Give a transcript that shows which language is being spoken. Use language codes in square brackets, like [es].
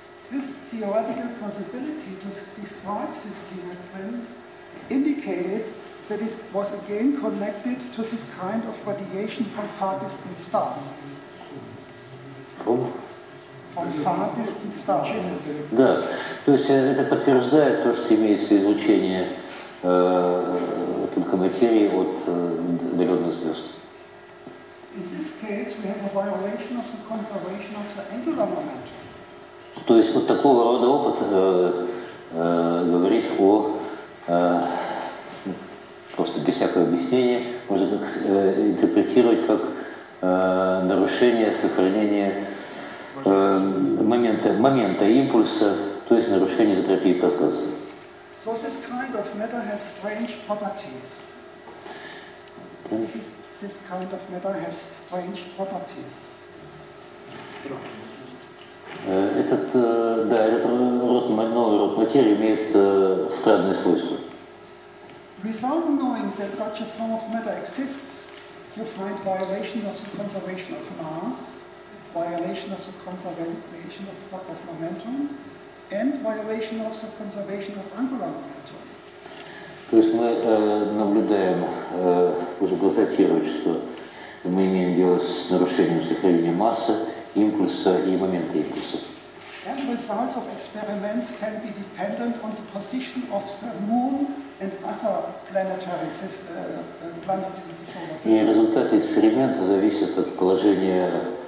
[en] This theoretical possibility to describe this fingerprint indicated that it was again connected to this kind of radiation from far distant stars. From far distant stars. [ru] Да, то есть это подтверждает то, что имеется излучение тонкой материи от далеких звезд. [en] In this case, we have a violation of the conservation of the angular momentum. [ru] То есть вот такого рода опыт говорит о просто без всякого объяснения можно как, интерпретировать как нарушение сохранения момента импульса, то есть нарушение изотропии пространства. [en] So this kind of matter has strange properties. This kind of matter has strange properties. [ru] Этот, да, этот род, новый род материи имеет странные свойства. [en] Without knowing that such a form of matter exists, you find violation of the conservation of mass, violation of the conservation of momentum, and violation of the conservation of angular momentum. [ru] То есть мы наблюдаем, уже констатировать, что мы имеем дело с нарушением сохранения массы, импульса и момента импульса. [en] And results of experiments can be dependent on the position of the moon and other planetary planets in the solar system. [ru] И результаты эксперимента зависят от положения